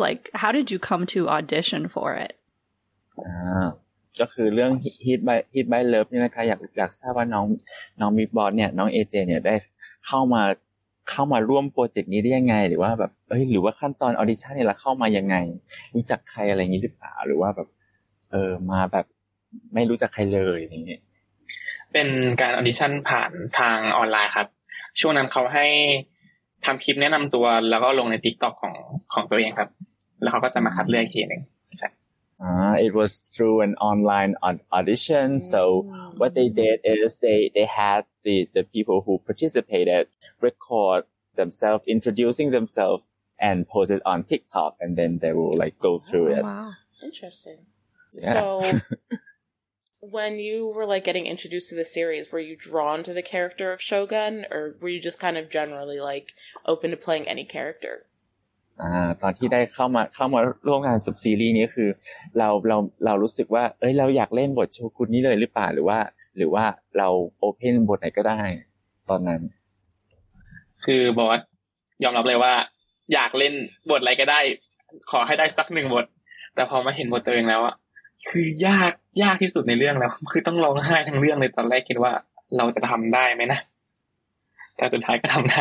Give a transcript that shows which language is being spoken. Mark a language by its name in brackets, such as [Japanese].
[English] Like, how did you come to audition for it? [Thai] ก็คือเรื่อง Hit Bite Love เนี่ยนะคะอยากทราบว่าน้องมิกบอสเนี่ยน้อง AJ เนี่ยได้เข้ามาร่วมโปรเจกต์นี้ได้ยังไงหรือว่าแบบเอ้ยหรือว่าขั้นตอนออดิชั่นเนี่ยแล้วเข้ามายังไงรู้จักใครอะไรอย่างงี้หรือเปล่าหรือว่าแบบมาแบบไม่รู้จักใครเลยอย่างงี้ เป็นการออดิชั่นผ่านทางออนไลน์ครับช่วงนั้นเขาให้ทำคลิปแนะนำตัวแล้วก็ลงใน TikTok ของตัวเองครับแล้วเขาก็จะมาคัดเลือกทีนึงใช่ [English] It was through an online audition so what they did is they had the people who participated record themselves introducing themselves and post it on TikTok and then they will like go through it wow interesting yeah. So when you were, like, getting introduced to the series, were you drawn to the character of Shogun, or were you just kind of generally, like, open to playing any character? [Thai] ตอนที่ได้เข้ามาร่วมงานสับซีรีส์นี้คือเรารู้สึกว่าเอ้ยเราอยากเล่นบทโชกุนนี้เลยหรือเปล่าหรือว่าเราโอเพนบทไหนก็ได้ตอนนั้น คือบอสยอมรับเลยว่าอยากเล่นบทอะไรก็ได้ขอให้ได้สักหนึ่งบทแต่พอมาเห็นบทตัวเองแล้วอะคือยากที่สุดในเรื่องแล้วคือต้องร้องไห้ทั้งเรื่องเลยตอนแรกคิดว่าเราจะทำได้ไหมนะแต่สุดท้ายก็ทำได